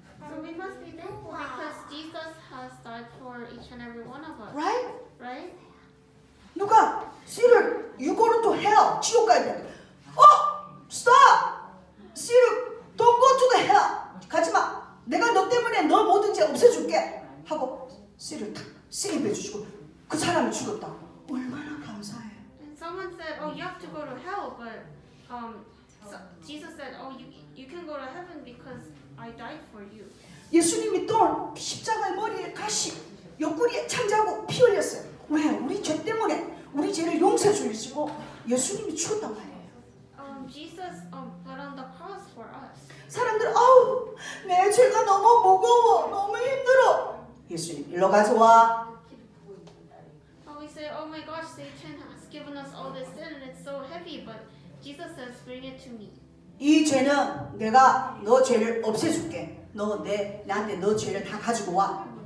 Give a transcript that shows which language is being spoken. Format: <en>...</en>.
<en>So we must be thankful because Jesus has died for each and every one of us. Right? Right?</en> <ko>누가</ko> <en>Cedar, you go to hell,</en> <ko>지옥 가야 돼.</ko> <en>어, stop, Cedar, don't go to the hell.</en> <ko>가지 마. 내가 너 때문에 너 모든 죄 없애줄게. 하고 Cedar 탁 슬립해 주시고 그 사람이 죽었다. 얼마나 감사해.</ko> <en>And someone said, oh, you have to go to hell, but so Jesus said, oh, you can go to heaven because I died for you.</en> <ko>예수님이 또 십자가 머리에 가시. 옆구리에 창자하고 피 흘렸어요. 왜? 우리 죄 때문에 우리 죄를 용서해 주시고 예수님이 죽었단 말이에요.</ko> <en>Jesus put on the cross for us.</en> <ko>사람들 아우 내 죄가 너무 무거워 너무 힘들어. 예수님 일로 가져와.</ko> <en>But we say, oh my gosh, Satan has given us all this sin and it's so heavy. But Jesus says, bring it to me.</en> <ko>이 죄는 내가 너 죄를 없애줄게. 너 내 나한테 너 죄를 다 가지고 와.</ko>